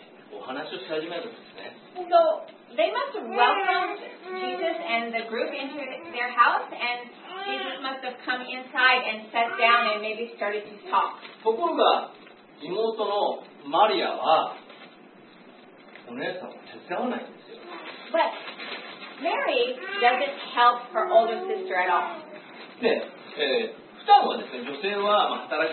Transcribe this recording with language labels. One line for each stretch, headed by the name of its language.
English: So they must have welcomed Jesus and the group into their house, and Jesus must have come inside and sat down and maybe started to talk.
Japanese: ところが妹のマリアはお姉さんを手伝わないんですよ。
English: But Mary doesn't help her older sister at all.
Japanese: で、負担はですね、女性は働き